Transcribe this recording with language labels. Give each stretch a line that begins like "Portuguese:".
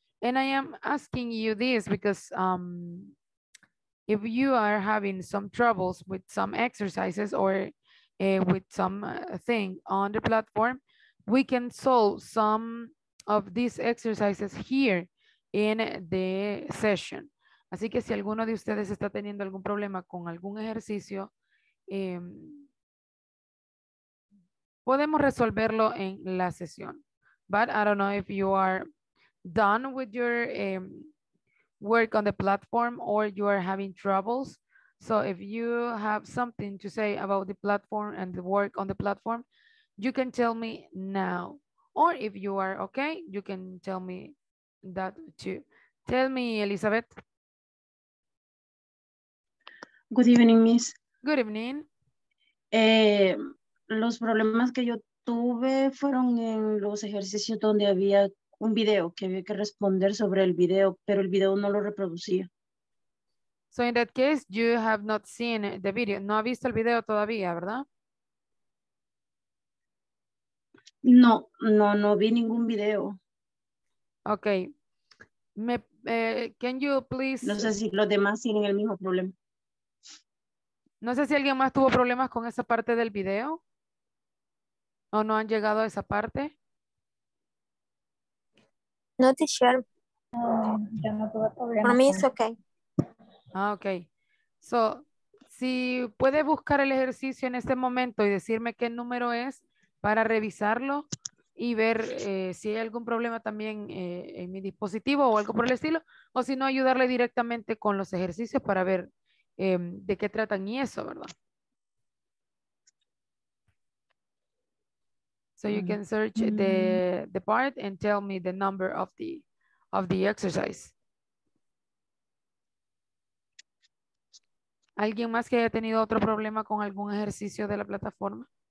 English: And I am asking you this because if you are having some troubles with some exercises or with some thing on the platform, we can solve some of these exercises here in the session.
Spanish: Así que si alguno de ustedes está teniendo algún problema con algún ejercicio, podemos resolverlo en la sesión.
English: But I don't know if you are done with your work on the platform or you are having troubles. So if you have something to say about the platform and the work on the platform, you can tell me now. Or if you are okay, you can tell me that too. Tell me, Elizabeth. Good evening, Miss. Good evening.
Spanish: Los problemas que yo tuve fueron en los ejercicios donde había un video que había que responder sobre el video, pero el video no lo reproducía.
English: So in that case, you have not seen the video.
Spanish: No ha visto el video todavía, ¿verdad? No vi ningún video.
English: Okay. Can you please...
Spanish: No sé si los demás tienen el mismo problema. No sé si alguien más tuvo problemas con esa parte del video. ¿O no han llegado a esa parte? No, teacher. Yo no tuve problemas. Para mí es okay. Ah, ok. So, si puede buscar el ejercicio en este momento y decirme qué número es para revisarlo y ver si hay algún problema también en mi dispositivo o algo por el estilo, o si no, ayudarle directamente con los ejercicios para ver de qué tratan y eso, ¿verdad?
English: So you can search the part and tell me the number of the exercise.
Spanish: ¿Alguien más que haya tenido otro problema con algún ejercicio de la plataforma?